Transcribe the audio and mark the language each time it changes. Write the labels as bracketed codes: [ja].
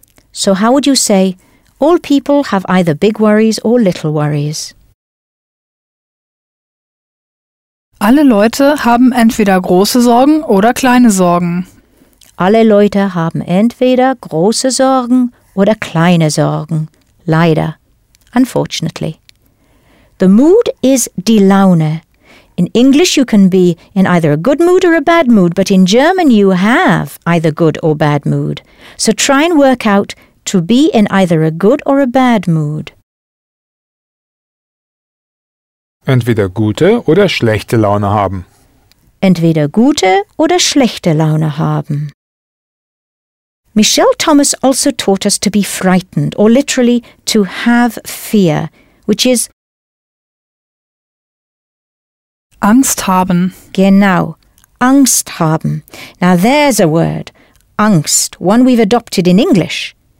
[en] So how would you say, all people have either big worries or little worries? [de] Alle Leute haben entweder große Sorgen oder kleine Sorgen. Alle Leute haben entweder große Sorgen oder kleine Sorgen. [en] Leider. Unfortunately. The mood is die Laune. In English you can be in either a good mood or a bad mood, but in German you have either good or bad mood. So try and work out to be in either a good or a bad mood. [de] Entweder gute oder schlechte Laune haben. Entweder gute oder schlechte Laune haben. [en] Michelle Thomas also taught us to be frightened, or literally to have fear, which is [de] Angst haben. Genau, Angst haben. [en] Now there's a word, Angst, one we've adopted in English.